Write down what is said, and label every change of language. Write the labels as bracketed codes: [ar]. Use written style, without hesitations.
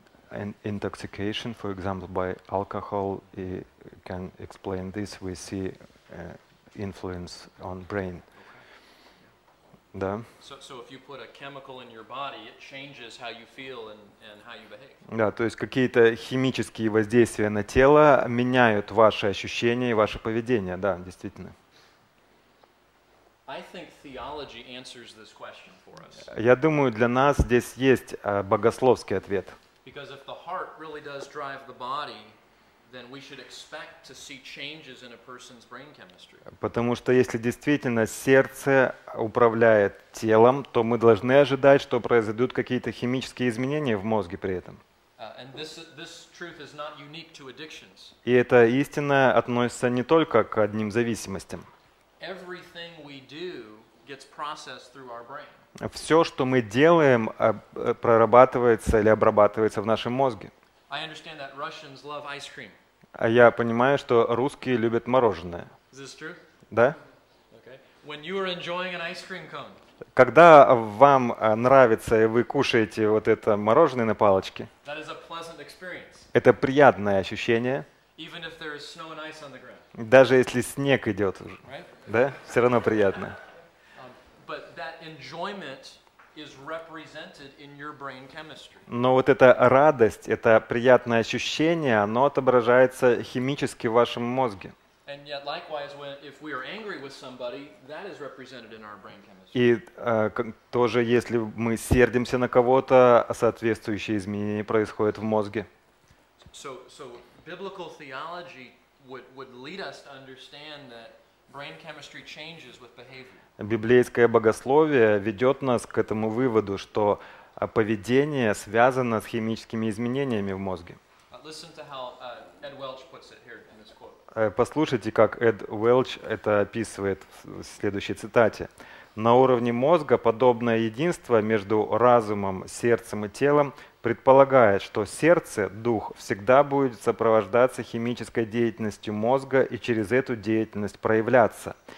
[en] An intoxication, for example, by alcohol, can explain this. We see influence on brain. [ru] Да. [en] So if you put a chemical in your body, it changes how you feel and how you behave. [ru] Да, то есть какие-то химические воздействия на тело меняют ваши ощущения и ваше поведение, да, действительно. [en] I think theology answers this question for us. [ru] Я думаю, для нас здесь есть богословский ответ. [en] Because if the heart really does drive the body, then we should expect to see changes in a person's brain chemistry. [ru] Потому что если действительно сердце управляет телом, то мы должны ожидать, что произойдут какие-то химические изменения в мозге при этом. [en] And this truth is not unique to addictions. [ru] И эта истина относится не только к одним зависимостям. [en] Everything we do gets processed through our brain. [ru] Все, что мы делаем, прорабатывается или обрабатывается в нашем мозге. [en] I understand that Russians love ice cream. [ru] А я понимаю, что русские любят мороженое. [en] Is this true? [ru] Да? [en] Okay. When you are enjoying an ice cream cone. [ru] Когда вам нравится и вы кушаете вот это мороженое на палочке, [en] that is a pleasant experience. [ru] Это приятное ощущение. [en] Even if there is snow and ice on the ground. [ru] Даже если снег идет уже. [en] Right? [ru] Да? Все равно приятно. [en] But that enjoyment is represented in your brain chemistry. [ru] Но вот эта радость, это приятное ощущение, оно отображается химически в вашем мозге. [en] And yet, likewise, when, if we are angry with somebody, that is represented in our brain chemistry. [ru] И тоже, если мы сердимся на кого-то, соответствующие изменения происходят в мозге. [en] So biblical theology would lead us to understand that brain chemistry changes with behavior. [ru] Библейское богословие ведет нас к этому выводу, что поведение связано с химическими изменениями в мозге. [en] Listen to how Ed Welch puts it here in this quote. [ru] Послушайте, как Эд Уэлч это описывает в следующей цитате. «На уровне мозга подобное единство между разумом, сердцем и телом предполагает, что сердце, дух, всегда будет сопровождаться химической деятельностью мозга и через эту деятельность проявляться.